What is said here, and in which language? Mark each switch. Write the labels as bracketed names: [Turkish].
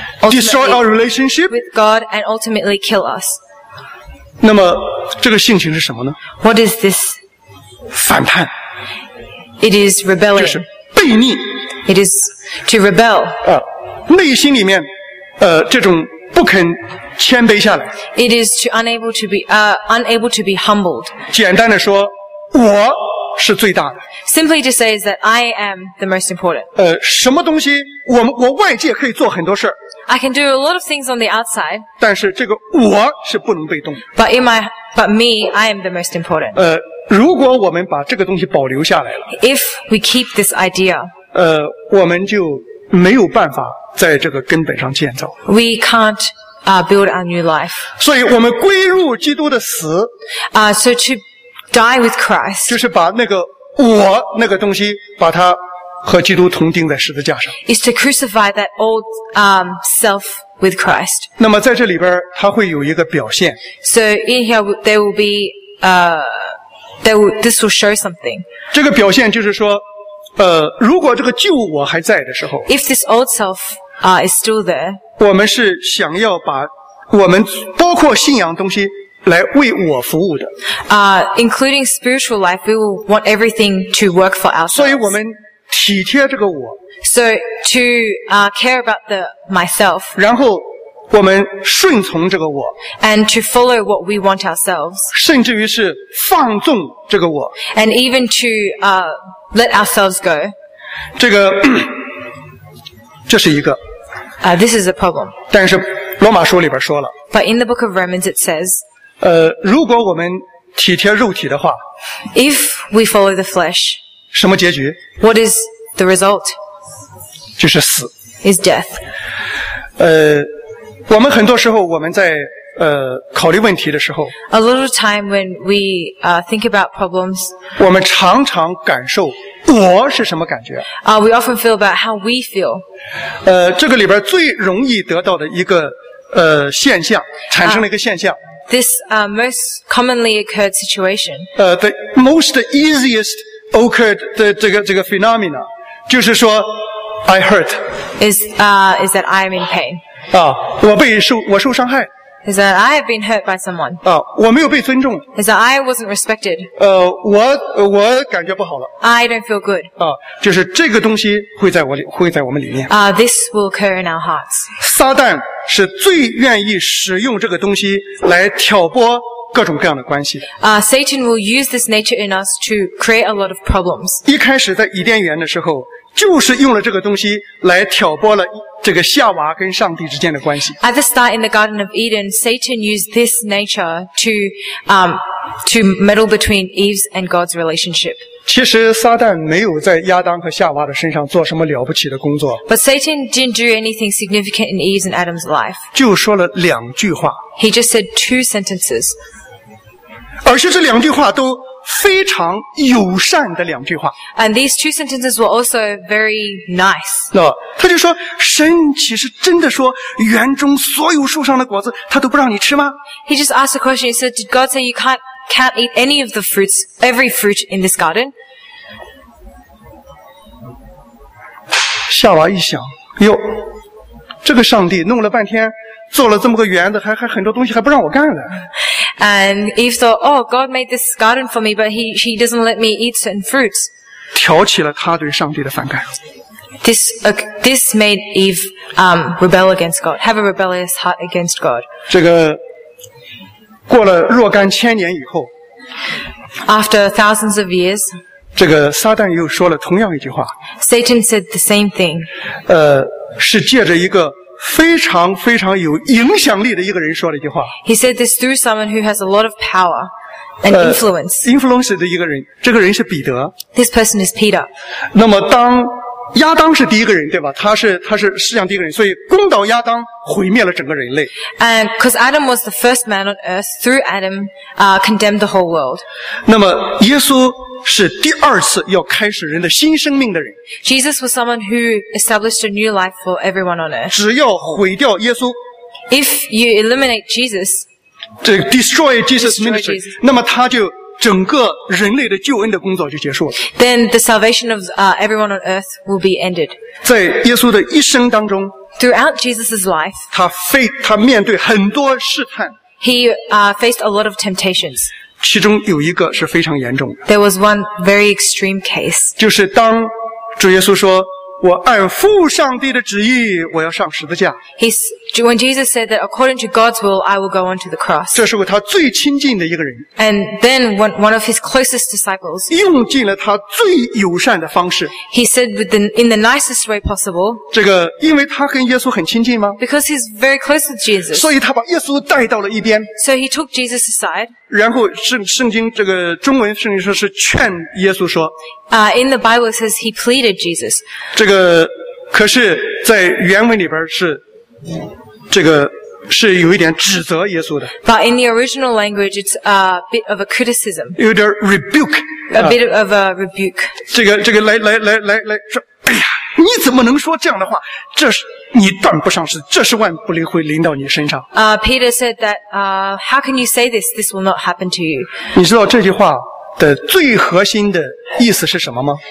[English] destroy our relationship with God and ultimately kill us. [Chinese] 那么这个性情是什么呢？ [English] What is this? [Chinese] 反叛。 [English] It is rebellion. [Chinese] 就是悖逆。 [English] It is to rebel. [Chinese] 内心里面这种不肯谦卑下来。 [English] It is to unable to be humbled. [Chinese] 简单的说，我是最大的。 [English] Simply to say is that I am the most important. [Chinese] 什么东西我外界可以做很多事， [English] I can do a lot of things on the outside. [Chinese] 但是这个我是不能被动。 [English] But me, I am the most important. [Chinese] 如果我们把这个东西保留下来了， [English] If we keep this idea, [Chinese] 我们就没有办法在这个根本上建造。 [English] We can't, build our new life. [Chinese] 所以我们归入基督的死， [English] so to die with Christ. [Chinese] 就是把那个我那个东西把它和基督同钉在十字架上。 [English] Is to crucify that old, self with Christ. [Chinese] 那么在这里边它会有一个表现。 [English] So in here, this will show something. [Chinese] 这个表现就是说如果这个旧我还在的时候。 [English] If this old self, is still there. [Chinese] 我们是想要把我们包括信仰东西来为我服务的。 [English] Including spiritual life, we will want everything to work for ourselves. [Chinese] 所以我们体贴这个我。 [English] So, to, care about the myself. [Chinese] 然后我们顺从这个我。 [English] And to follow what we want ourselves. [Chinese] 甚至于是放纵这个我。 [English] And even to, let ourselves go. [Chinese] 这是一个。 [English] This is a problem. [Chinese] 但是罗马书里边说了。 [English] But in the book of Romans it says, [Chinese] 如果我们体贴肉体的话。 [English] If we follow the flesh, [Chinese] 什么结局？ [English] What is the result? [Chinese] 就是死。 [English] Is death. [Chinese] 我们很多时候我们在考虑问题的时候。 [English] A lot of time when we, think about problems. [Chinese] 我们常常感受我是什么感觉。 [English] We often feel about how we feel. [Chinese] 这个里边最容易得到的一个现象，产生了一个现象。 [English] This, most commonly occurred situation. The most easiest occurred [Chinese] 的这个 [English] phenomena [Chinese] 就是说 [English] I hurt is that I am in pain [Chinese] 啊，我受伤害 [English] is that I have been hurt by someone [Chinese] 啊，我没有被尊重 [English] is that I wasn't respected [Chinese] 我感觉不好了 [English] I don't feel good [Chinese] 啊，就是这个东西会在我们里面 [English] this will occur in our hearts [Chinese] 撒旦是最愿意使用这个东西来挑拨各种各样的关系。 [English] Satan will use this nature in us to create a lot of problems. [Chinese] 一开始在伊甸园的时候，就是用了这个东西来挑拨了这个夏娃跟上帝之间的关系。 [English] At the start in the Garden of Eden, Satan used this nature to meddle between Eve's and God's relationship. [Chinese] 其实撒旦没有在亚当和夏娃的身上做什么了不起的工作。 [English] But Satan didn't do anything significant in Eve's and Adam's life. [Chinese] 就说了两句话。 [English] He just said two sentences. [Chinese] 而且这两句话都非常友善的两句话。 [English] And these two sentences were also very nice. [Chinese] 那他就说，神岂是真的说园中所有树上的果子他都不让你吃吗？ [English] He just asked a question. He said, "Did God say you can't eat any of the fruits, every fruit in this garden?" [Chinese] 夏娃一想，哟，这个上帝弄了半天，做了这么个园子，还很多东西还不让我干呢。 [English] And Eve thought, "Oh, God made this garden for me, but He doesn't let me eat certain fruits." [Chinese] 挑起了他对上帝的反感。 [English] This made Eve rebel against God, have a rebellious heart against God. [Chinese] 这个过了若干千年以后 [English] ，After thousands of years, [Chinese] 这个撒旦又说了同样一句话。 [English] Satan said the same thing. [Chinese] 是借着一个非常非常有影响力的一个人说了一句话。 [English] He said this through someone who has a lot of power and influence. [Chinese] Influence 的一个人，这个人是彼得。 [English] This person is Peter. [Chinese] 那么当亚当是第一个人，对吧？他是世上第一个人，所以攻倒亚当，毁灭了整个人类。 [English] And because Adam was the first man on earth, through Adam, condemned the whole world. [Chinese] 那么耶稣是第二次要开始人的新生命的人。 [English] Jesus was someone who established a new life for everyone on earth. [Chinese] 只要毁掉耶稣 [English] ，If you eliminate Jesus, destroy Jesus' ministry, [Chinese] 那么他就整个人类的救恩的工作就结束了。 [English] Then the salvation of everyone on earth will be ended. [Chinese] 在耶稣的一生当中 [English] ，Throughout Jesus' life, [Chinese] 他面对很多试探。 [English] He faced a lot of temptations. [Chinese] 其中有一个是非常严重的。 [English] There was one very extreme case. [Chinese] 就是当主耶稣说，我按父上帝的旨意，我要上十字架。 [English] When Jesus said that according to God's will, I will go on to the cross. [Chinese] 这是他最亲近的一个人。 [English] And then one of his closest disciples. [Chinese] 用尽了他最友善的方式。 [English] He said in the nicest way possible. [Chinese] 这个因为他跟耶稣很亲近吗 [English] ？Because he's very close to Jesus. [Chinese] 所以他把耶稣带到了一边。 [English] So he took Jesus aside. [Chinese] 然后圣经这个中文圣经说是劝耶稣说。 [English] In the Bible it says he pleaded Jesus. [Chinese] 这个可是在原文里边是这个是有一点指责耶稣的。 [English] But in the original language, it's a bit of a criticism. [Chinese] 有点 rebuke. [English] A bit of a rebuke. [Chinese] 这个来说，哎呀，你怎么能说这样的话？这是你断不上是，这是万不能会临到你身上。 [English] Peter said that, how can you say this? This will not happen to you. [Chinese] 你知道这句话的最核心的意思是什么吗